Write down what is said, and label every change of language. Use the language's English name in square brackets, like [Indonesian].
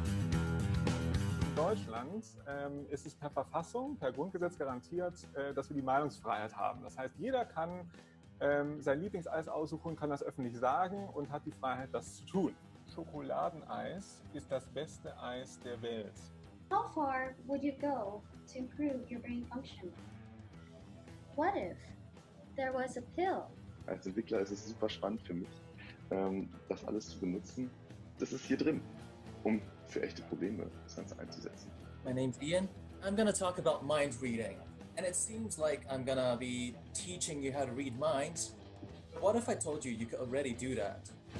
[German] In Deutschland ist es per Verfassung, per Grundgesetz garantiert, dass wir die Meinungsfreiheit haben. Das heißt, jeder kann sein Lieblingseis aussuchen, kann das öffentlich sagen und hat die Freiheit, das zu tun. Schokoladeneis ist das beste Eis der Welt. [English] How far would you go to improve your brain function? What if there was a pill? [German] Als Entwickler ist es super spannend für mich, das alles zu benutzen. Das ist hier drin, um für echte Probleme das Ganze einzusetzen. [English] My name's Ian. I'm gonna talk about mind reading. And it seems like I'm gonna be teaching you how to read minds. But what if I told you you could already do that?